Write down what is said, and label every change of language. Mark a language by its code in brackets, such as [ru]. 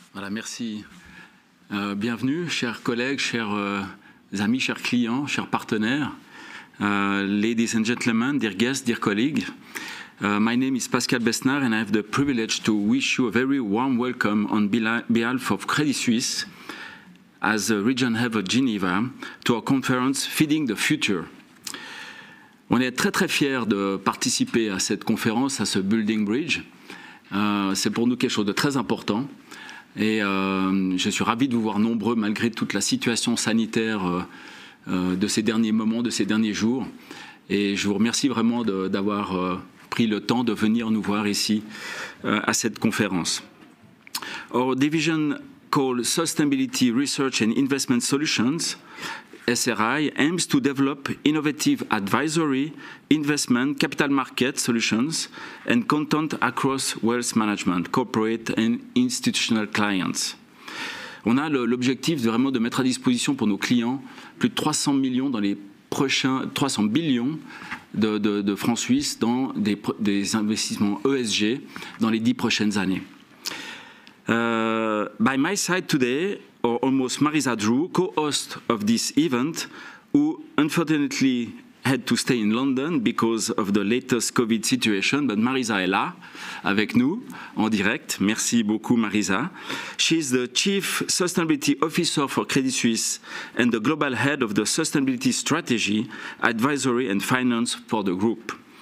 [fr] Merci. Bienvenue, chers collègues, chers amis, chers clients, chers partenaires, [en] ladies and gentlemen, dear guests, dear colleagues. My name is Pascal Besnard, and I have the privilege to wish you a very warm welcome on behalf of Credit Suisse, as a region head of Geneva, to our conference Feeding the Future. [fr] On est très, très fiers de participer à cette conférence, à ce Building Bridge. C'est pour nous quelque chose de très important. Et je suis ravi de vous voir nombreux malgré toute la situation sanitaire de ces derniers moments, de ces derniers jours. Et je vous remercie vraiment d'avoir pris le temps de venir nous voir ici à cette conférence. [en] Our division called Sustainability Research and Investment Solutions, SRI, aims to develop innovative advisory, investment, capital market solutions, and content across wealth management, corporate and institutional clients. [fr] On a l'objectif vraiment de mettre à disposition pour nos clients plus de 300 millions dans les prochains 300 billions de francs suisses dans des investissements ESG dans les 10 prochaines années. [en] By my side today, or almost Marisa Drew, co-host of this event, who unfortunately had to stay in London because of the latest COVID situation, but Marisa [fr] est là avec nous en direct. Merci beaucoup, [en] Marisa. She is the Chief Sustainability Officer for Credit Suisse and the Global Head of the Sustainability Strategy, Advisory and Finance for the Group.